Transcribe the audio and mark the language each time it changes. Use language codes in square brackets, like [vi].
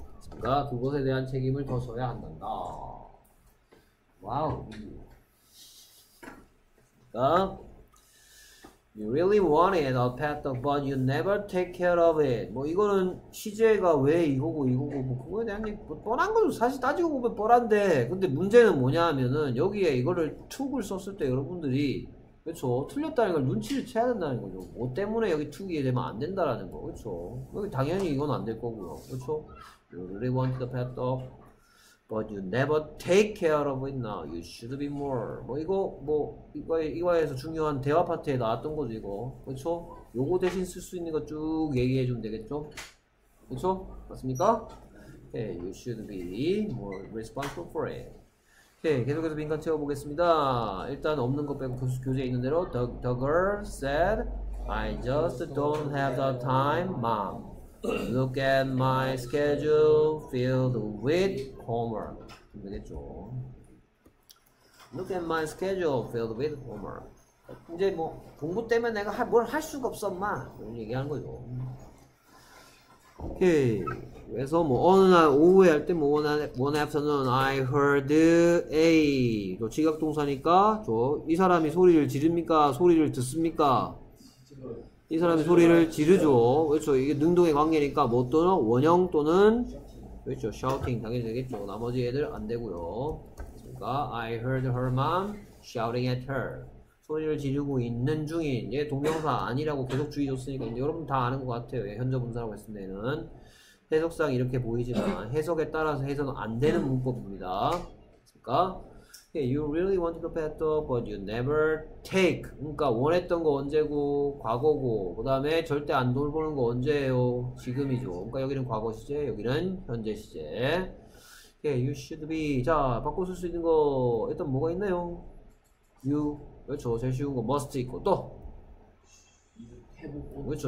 [ko] 그러니까 그것에 대한 책임을 더 져야 한단다. 와우. [en] You really wanted a pet dog, but you never take care of it. [ko] 뭐 이거는 시제가 왜 이거고 뭐 그거에 대한 얘기 뭐 뻔한 거죠. 사실 따지고 보면 뻔한데 근데 문제는 뭐냐 하면은 여기에 이거를 took을 썼을 때 여러분들이 그렇죠. 틀렸다는 걸 눈치를 채야 된다는 거죠. 뭐 때문에 여기 투기에 되면 안 된다라는 거. 그렇죠. 여기 당연히 이건 안 될 거고요. 그렇죠. [en] You really want the pet dog, but you never take care of it now. You should be more. [ko] 뭐 이거 뭐 이거에서 중요한 대화 파트에 나왔던 거죠, 이거. 그렇죠. 요거 대신 쓸 수 있는 거 쭉 얘기해 주면 되겠죠. 그렇죠. 맞습니까? [en] 예, okay, you should be more responsible for it. [ko] 네, 계속해서 빈칸 채워보겠습니다. 일단 없는 거 빼고 교재에 있는 대로 [en] The girl said I just don't have the time, mom. Look at my schedule filled with homework. [ko] 준비되겠죠? [en] Look at my schedule filled with homework. [ko] 이제 뭐 공부 때문에 내가 뭘 할 수가 없어, 엄마. 이런 얘기하는 거죠. 오케이. 그래서 뭐 어느 날 오후에 할 때 뭐 [en] one afternoon I heard a [ko] 또 직역 동사니까 저 이 사람이 소리를 지릅니까? 소리를 듣습니까? 이 사람이 소리를 지르죠. 그렇죠. 이게 능동의 관계니까 뭐 또는 원형 또는 그렇죠. shouting 당연히 되겠죠. 나머지 애들 안 되고요. 그러니까 [en] I heard her mom shouting at her. [ko] 소리를 지르고 있는 중인 얘 동명사 아니라고 계속 주의줬으니까 이제 여러분 다 아는 것 같아요. 얘 현재 분사라고 했을 때는 해석상 이렇게 보이지만 해석에 따라서 해석은 안 되는 문법입니다. 그러니까 [en] You really want the pet dog but you never take. [ko] 그러니까 원했던 거 언제고 과거고 그 다음에 절대 안 돌보는 거 언제예요? 지금이죠. 그러니까 여기는 과거 시제 여기는 현재 시제. [en] You should be. [ko] 자 바꿔 쓸 수 있는 거 일단 뭐가 있나요? You 그렇죠. 제일 쉬운 거 must 있고 또 그렇죠.